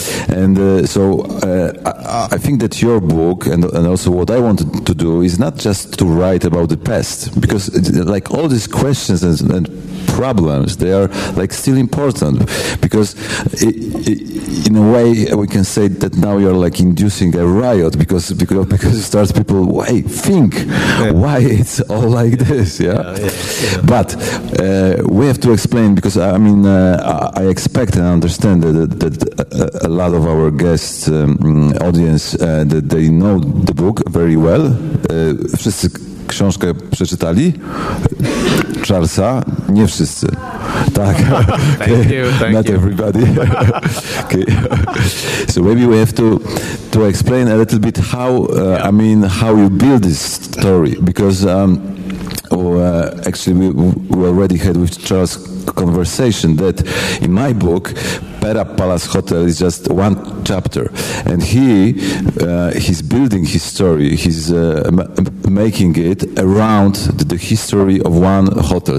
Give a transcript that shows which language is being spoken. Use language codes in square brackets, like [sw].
[en] And I think that your book and also what I wanted to do is not just to write about the past, because like all these questions and problems, they are like still important, because in a way we can say that now you're like inducing a riot because it starts people, wait, think why it's all like this. But we have to explain, because I mean I expect and understand that a lot of our guests audience that they know the book very well. [pl] Wszyscy książkę przeczytali Charlesa, nie wszyscy. Tak. [en] Thank you. Everybody. Okay. So maybe we have to explain a little bit how you build this story, because we already had with Charles conversation that in my book Pera Palace Hotel is just one chapter, and he's building his story, making it around the history of one hotel.